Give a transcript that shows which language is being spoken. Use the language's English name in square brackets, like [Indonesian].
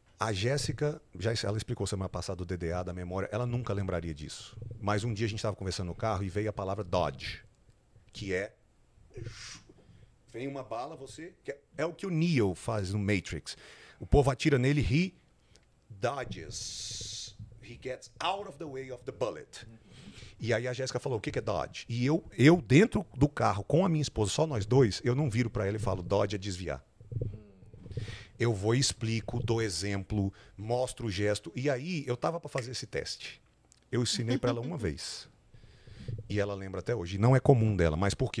[Portuguese] A Jéssica, ela explicou semana passada o DDA, da memória, ela nunca lembraria disso. Mas um dia a gente estava conversando no carro e veio a palavra Dodge, que é... Vem uma bala, você... É o que o Neo faz no Matrix. O povo atira nele, [English] he dodges. He gets out of the way of the bullet. [Portuguese] E aí a Jéssica falou, o que é Dodge? E eu dentro do carro, com a minha esposa, só nós dois, eu não viro para ela e falo, Dodge é desviar. Eu vou e explico, dou exemplo, mostro o gesto. E aí, eu tava para fazer esse teste. Eu ensinei para ela uma vez. E ela lembra até hoje. Não é comum dela. Mas por quê?